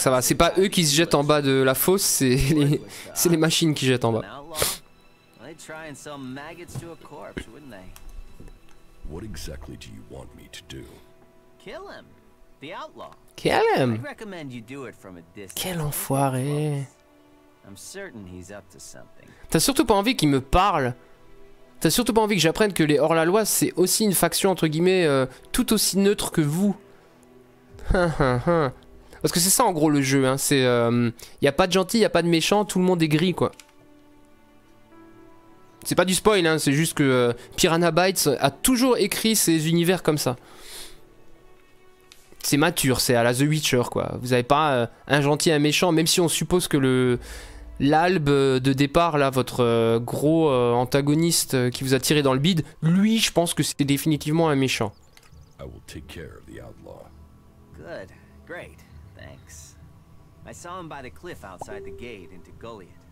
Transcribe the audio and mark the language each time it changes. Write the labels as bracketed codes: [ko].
[fr] ça va, c'est pas eux qui se jettent en bas de la fosse, c'est les machines qui jettent en bas. [en] They'd try and sell maggots to a corpse, wouldn't they? What exactly do you want me to do? Kill him, the outlaw. Kill him. I recommend you do it from a distance. [fr] Quel enfoiré. [en] I'm certain he's up to something. [fr] T'as surtout pas envie qu'il me parle. T'as surtout pas envie que j'apprenne que les hors-la-loi, c'est aussi une faction entre guillemets tout aussi neutre que vous. Parce que c'est ça en gros le jeu, hein. C'est y a pas de gentil, y a pas de méchant, tout le monde est gris, quoi. C'est pas du spoil, hein, c'est juste que Piranha Bytes a toujours écrit ses univers comme ça. C'est mature, c'est à la The Witcher, quoi. Vous avez pas un gentil et un méchant, même si on suppose que l'albe de départ, là, votre gros antagoniste qui vous a tiré dans le bide, lui, je pense que c'est définitivement un méchant. [en] I will take care of the outlaw. Good, great, thanks. I saw him by the cliff outside the gate into Goliath.